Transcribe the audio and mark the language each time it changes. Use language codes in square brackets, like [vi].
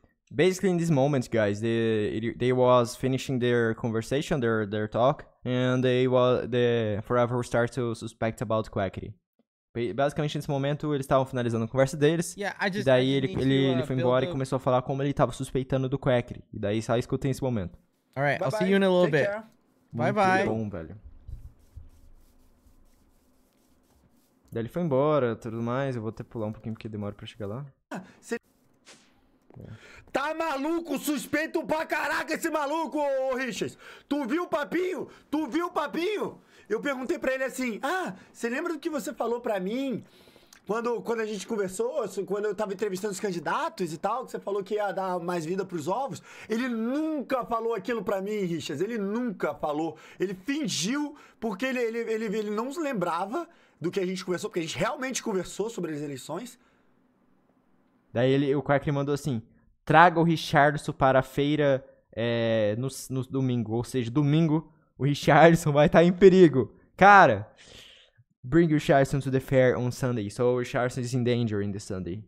[en] Basically, in this moment, guys, they was finishing their conversation, their talk, and Forever start to suspect about Quackity. [pt] Basicamente, nesse momento, eles estavam finalizando a conversa deles, e daí ele foi embora e começou a falar como ele estava suspeitando do Quackity. E daí só escutem esse momento. [en] Alright, I'll see you in a little bit. Bye-bye. [pt] Muito bom, velho. Daí ele foi embora, tudo mais, eu vou até pular um pouquinho porque demora pra chegar lá. Tá maluco? Suspeito pra caraca esse maluco, ô Richards. Tu viu o papinho? Tu viu o papinho? Eu perguntei pra ele assim, você lembra do que você falou pra mim quando a gente conversou, quando eu tava entrevistando os candidatos e tal, que você falou que ia dar mais vida pros ovos? Ele nunca falou aquilo pra mim, Richards. Ele nunca falou. Ele fingiu porque ele não se lembrava do que a gente conversou, porque a gente realmente conversou sobre as eleições. Daí o Quackity mandou assim, traga o Richardson para a feira no domingo. Ou seja, domingo, o Richardson vai estar em perigo. [en] Cara, bring your Richardson to the fair on Sunday. So, Richardson is in danger in the Sunday.